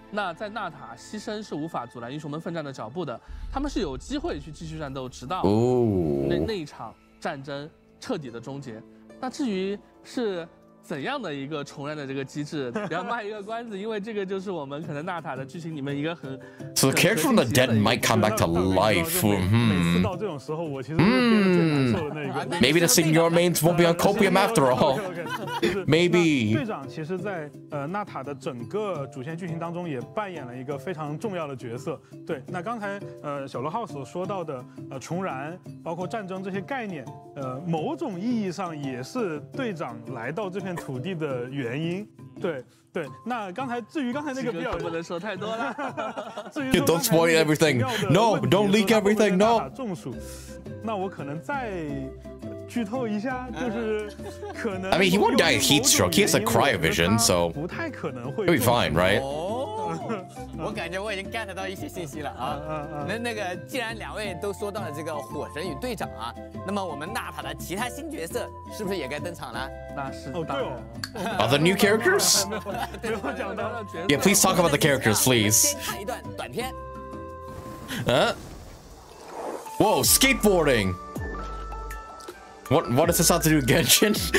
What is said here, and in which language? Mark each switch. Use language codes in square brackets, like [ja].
[zh] 那在纳塔牺牲是无法阻拦英雄们奋战的脚步的，他们是有机会去继续战斗，直到那一场战争彻底的终结。那至于是怎样的一个重燃的这个机制，不要卖一个关子，因为这个就是我们可能纳塔的剧情里面一个很 [en] so the character from the dead might come back to life。 [zh] 每次到这种时候我其实是最难受的那一个。 [en] Maybe the senior remains won't be on copium after all。 Maybe [zh] 队长其实在纳塔的整个主线剧情当中也扮演了一个非常重要的角色。对，那刚才小罗浩所说到的重燃包括战争这些概念，某种意义上也是队长来到这片土地的原因。对对，那刚才至于刚才那个比较不能说太多了。至于 [en] don't spoil everything, no, don't leak everything, no。 [zh] 中暑，那我可能再剧透一下，就是可能 [en] I mean he won't die of heat stroke, he has a cryo vision, so [zh] 不太可能会 [en] he'll be fine, right? [zh] 我感觉我已经 get 到一些信息了啊。那个既然两位都说到了这个火神与队长啊，那么我们纳塔的其他新角色是不是也该登场了？那是哦，对哦。 [en] Are the new characters? [zh] 没有讲到 [en] 角色。Yeah, please talk about the characters, please. [zh] 先看一段短片。 [en] Whoa, skateboarding. What does this have to do with Genshin?